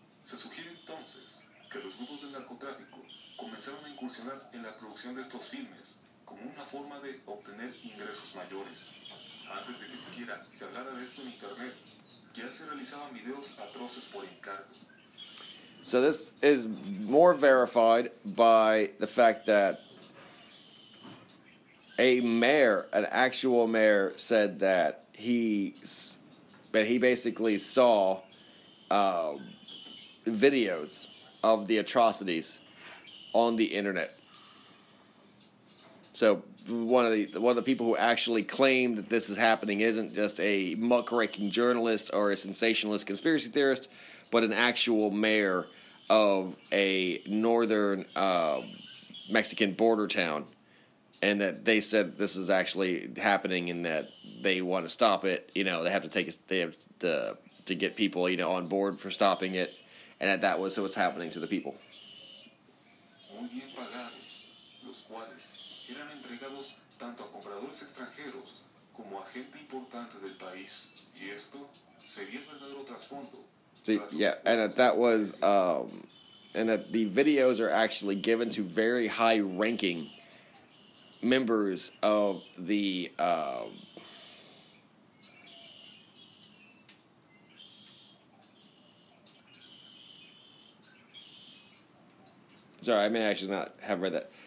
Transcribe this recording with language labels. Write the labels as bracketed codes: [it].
[es] Se sugiere entonces que los grupos del narcotráfico comenzaron a incursionar en la producción de estos filmes como una forma de obtener ingresos mayores. Antes de que siquiera se hablara de esto en internet, ya se realizaban videos atroces por encargo. [en] So this is more verified by the fact that a mayor, an actual mayor, said that he basically saw videos of the atrocities on the internet. So one of the people who actually claimed that this is happening isn't just a muckraking journalist or a sensationalist conspiracy theorist, but an actual mayor of a northern Mexican border town, and that they said this is actually happening and that they want to stop it. You know, they have to get people, you know, on board for stopping it, and that was what's happening to the people. [es] Muy bien pagados, los cuales eran entregados tanto a compradores extranjeros como a gente importante del país, y esto sería el verdadero trasfondo. [en] See, yeah, and that the videos are actually given to very high-ranking members of the I may actually not have read that.